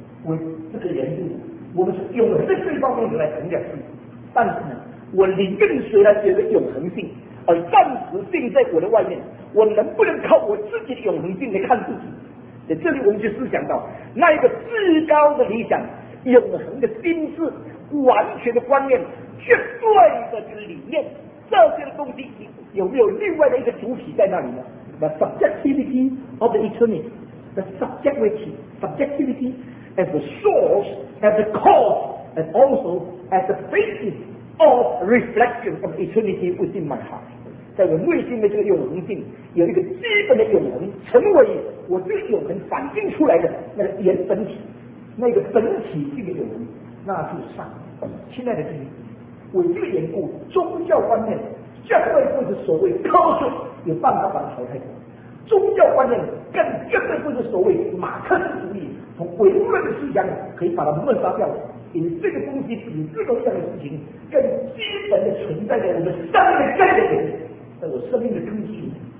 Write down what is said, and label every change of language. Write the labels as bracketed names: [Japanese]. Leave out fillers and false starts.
[Chinese] 我这个人物我们是永恒的这方面来衡量自己，但是呢，我里面虽然觉得永恒性而暂时定在我的外面，我能不能靠我自己的永恒性来看自己？在这里我们就思想到那一个至高的理想，永恒的心智，完全的观念，绝对的这个理念，这些东西有没有另外的一个主体在那里呢？ [English] The subjectivity of the eternity, the subjectivity, subjectivity as the source, as the cause, and also as the basis of reflection of eternity within my heart. [Chinese] 在我内心的这个永恒性，有一个基本的永恒，成为我这个永恒反映出来的那个原本体，那个本体性的永恒，那就是上帝。亲爱的弟兄，为这个缘故，宗教观念绝对不是所谓科学有办法把它淘汰掉，宗教观念更绝对不是所谓马克思主义从唯物论的思想可以把它抹杀掉，因为这个东西比各种各样的事情更基本的存在在我们生命的根源，在我生命的根基里面。